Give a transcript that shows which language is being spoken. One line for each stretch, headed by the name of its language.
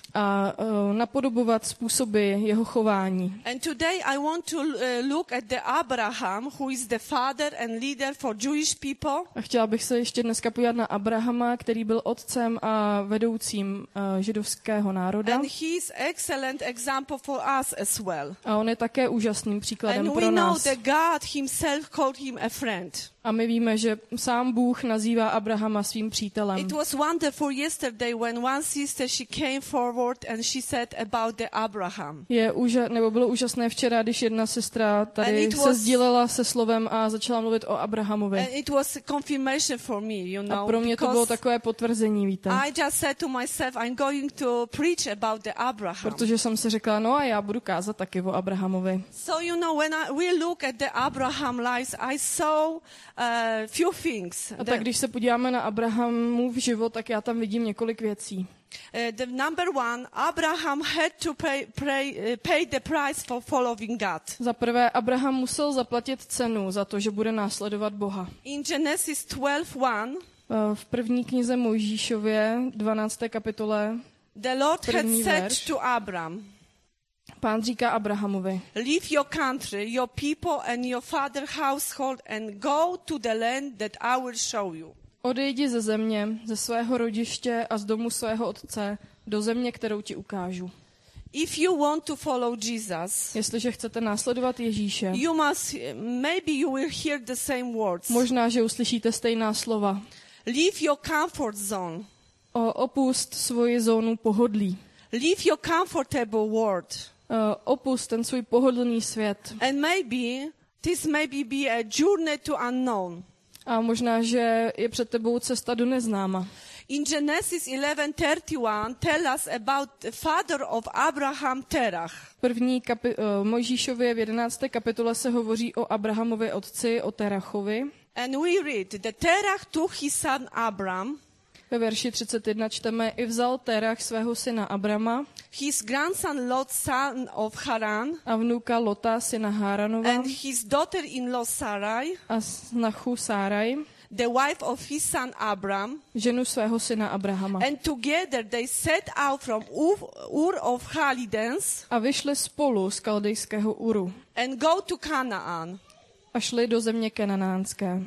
Czech: A napodobovat způsoby jeho chování.
English: And today I want to look at the Abraham, who is the father and leader for Jewish people.
Czech: A chtěla bych se ještě dneska podívat na Abrahama, který byl otcem a vedoucím židovského národa.
English: And he is excellent example for us as well.
Czech: A on je také úžasným příkladem
English: and
Czech: pro nás.
English: And we know that God himself called him a friend.
Czech: A my víme, že sám Bůh nazývá Abrahama svým přítelem.
English: It was wonderful yesterday when one sister she came forward and she said about the Abraham.
Czech: Bylo úžasné včera, když jedna sestra tady se sdílela se slovem a začala mluvit o Abrahamovi.
English: And it was a confirmation for me, you know.
Czech: A pro mě to bylo takové potvrzení, víte.
English: I just said to myself I'm going to preach about the Abraham.
Czech: Protože jsem si řekla, no a já budu kázat taky o Abrahamovi.
English: So you know when we look at the Abraham lives I saw few things.
Czech: A tak když se podíváme na Abrahamův život, tak já tam vidím několik věcí.
English: The number one, Abraham had to pay the price for following God.
Czech: Za prvé, Abraham musel zaplatit cenu za to, že bude následovat Boha.
English: In Genesis 12:1.
Czech: V první knize Mojžíšově 12. kapitole.
English: The Lord
Czech: první
English: had
Czech: verš,
English: said to Abraham.
Czech: Pán říká Abrahamovi.
English: Leave your country, your people and your father's household and go to the land that I will show you.
Czech: Odejdi ze země, ze svého rodiště a z domu svého otce do země, kterou ti ukážu.
English: If you want to follow Jesus,
Czech: jestliže chcete následovat Ježíše,
English: you must, maybe you will hear the same words.
Czech: Možná, že uslyšíte stejná slova.
English: Leave your comfort zone.
Czech: Opust svoji zónu pohodlí.
English: Leave your comfortable world.
Czech: Opust ten svůj pohodlný svět.
English: And maybe this maybe be a journey to unknown.
Czech: A možná, že je před tebou cesta do neznáma.
English: In Genesis 11:31 tell us about the father of Abraham Terach.
Czech: Mojžíšově v 11. kapitole se hovoří o Abrahamově otci, o Terachovi.
English: And we read that Terach took his son Abram.
Czech: Ve verši 31 čteme, i vzal Terach svého syna Abrama,
English: his grandson Lot, son of Haran,
Czech: a vnuka Lota, syna Haranova,
English: and his daughter-in-law Sarai,
Czech: a snachu Sarai,
English: the wife of his son Abram,
Czech: ženu svého syna Abrahama.
English: And together they set out from Ur of Chaldeans,
Czech: a vyšli spolu z kaldejského Uru,
English: and go to Canaan,
Czech: a šli do země kananánské.